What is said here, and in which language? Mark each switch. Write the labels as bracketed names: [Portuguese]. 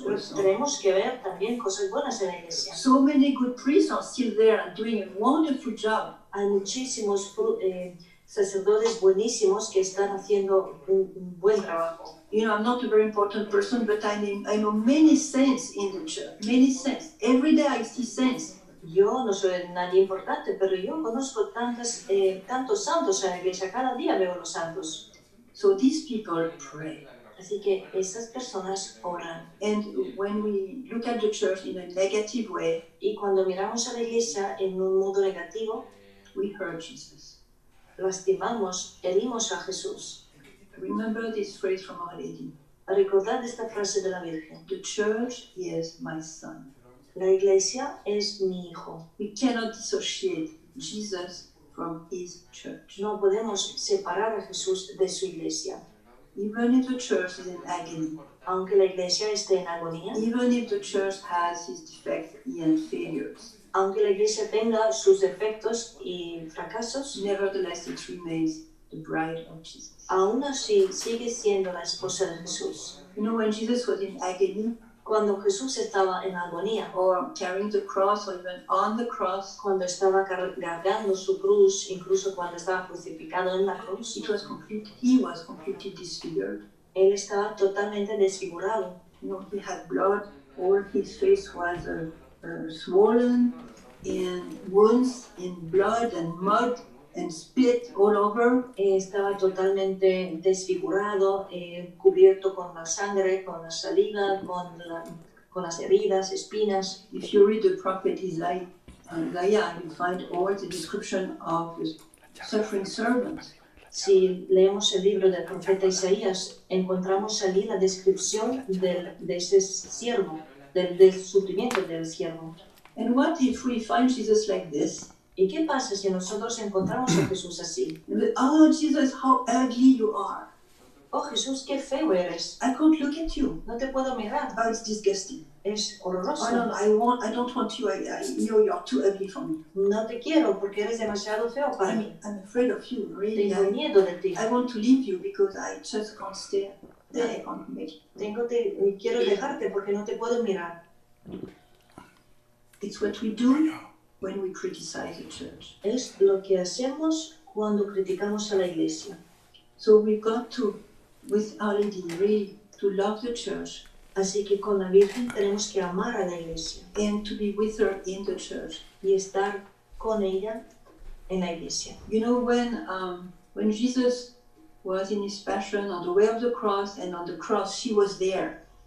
[Spanish] Pero tenemos que ver también cosas buenas en la iglesia. [English] So many good priests are still there and doing a wonderful job. [Spanish] Hay muchísimos sacerdotes buenísimos que están haciendo un buen trabajo. [English] You know, I'm not a very important person, but I know many saints in the church. Many saints. Every day I see saints. [Spanish] Yo no soy nadie importante, pero yo conozco tantos santos en la iglesia. Cada día veo los santos. [English] So these people pray. [Spanish] Así que esas personas oran. [English] And when we look at the church in a negative way, [Spanish] y cuando miramos a la iglesia en un modo negativo, [English] we hurt Jesus. [Spanish] Lastimamos, herimos a Jesús. [English] Remember this phrase from Our Lady. [Spanish] Recordad esta frase de la Virgen. [English] The church is my son. [Spanish] La iglesia es mi hijo. [English] We cannot dissociate Jesus from his church. [Spanish] No podemos separar a Jesús de su iglesia. [English] Even if the church is in agony. [Spanish] Aunque la iglesia esté en agonía. [English] Even if the church has its defects and failures. [Spanish] Aunque la iglesia tenga sus defectos y fracasos. [English] Nevertheless, it remains the bride of Jesus. [Spanish] Aún así, sigue siendo la esposa de Jesús. [English] You know, when Jesus was in agony, [Spanish] cuando Jesús estaba en agonía, [English] or carrying the cross, or even on the cross, [Spanish] cuando estaba cargando su cruz, incluso cuando estaba crucificado en la cruz, [English] he was completely disfigured. [Spanish] Él estaba totalmente desfigurado. [English] You know, he had blood, or his face was swollen, and wounds in blood and mud. And spit all over. [Spanish] Estaba totalmente desfigurado, cubierto con la sangre, con la saliva, con las heridas, espinas. [English] If you read the prophet Isaiah, you find all the description of the suffering servant. [Spanish] Si leemos el libro del profeta Isaías, encontramos allí la descripción de ese siervo, del sufrimiento del siervo. [English] And what if we find Jesus like this? [Spanish] ¿Y qué pasa si nosotros encontramos a Jesús así? [English] Oh, Jesus, how ugly you are. [Spanish] Oh, Jesús, qué feo eres. [English] I can't look at you. [Spanish] No te puedo mirar. [English] Oh, it's disgusting. [Spanish] Es horroroso. [English] Oh, I don't want you. You're too ugly for me. [Spanish] No te quiero porque eres demasiado feo para mí. [English] I'm afraid of you, really. [Spanish] Tengo miedo de ti. [English] I want to leave you because I just can't stare. [Spanish] Quiero dejarte porque no te puedo mirar. [English] It's what we do. When we criticize the church. [Spanish] Es lo que hacemos cuando criticamos a la iglesia. [English] So we've got to, with Our Lady, really, to love the church. [Spanish] Así que con la Virgen tenemos que amar a la iglesia. [English] And to be with her in the church. [Spanish] Y estar con ella en la iglesia. [English] You know, when Jesus was in his passion on the way of the cross, and on the cross she was there.